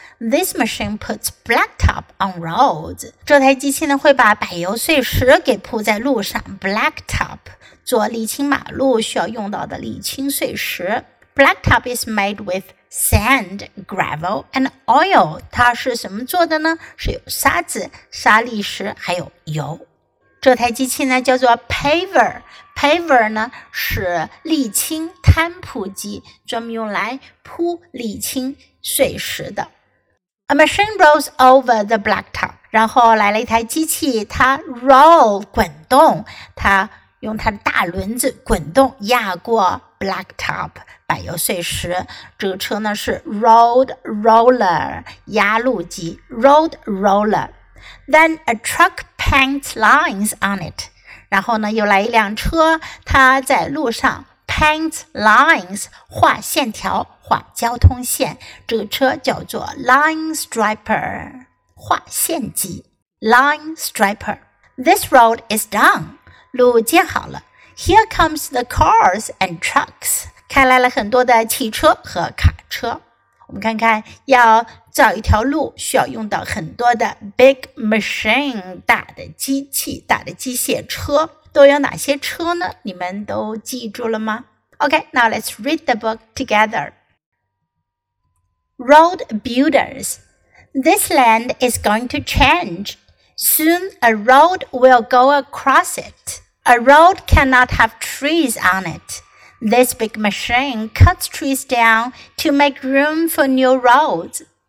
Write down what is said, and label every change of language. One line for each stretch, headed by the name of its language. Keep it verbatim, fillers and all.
English: This machine puts blacktop on roads.
Chinese: 这台机器呢会把柏油碎石给铺在路上。 Blacktop 做沥青马路需要用到的沥青碎石。
English: Blacktop is made with sand, gravel and oil.
Chinese: 它是什么做的呢？是有沙子、沙砾石还有油。这台机器呢叫做 paver。 paver 呢是沥青摊铺机，专门用来铺沥青碎石的。
English: A machine rolls over the blacktop.
Chinese: 然后来了一台机器，它 roll 滚动，它用它的大轮子滚动压过 blacktop 柏油碎石。这个车呢是 road roller 压路机 road roller。
English: Then a truck paints lines on it.
Chinese: 然后呢，又来一辆车，它在路上 paints lines 画线条，画交通线。这个车叫做 line striper 画线机 line striper.
English: This road is done.
Chinese: 路建好了。
English: Here comes the cars and trucks.
Chinese: 开来了很多的汽车和卡车。我们看看，要造一条路需要用到很多的 big machine 大的机器、大的机械车，都有哪些车呢？你们都记住了吗？
English: Okay, now let's read the book together. Road builders. This land is going to change. Soon a road will go across it. A road cannot have trees on it. This big machine cuts trees down to make room for new roads.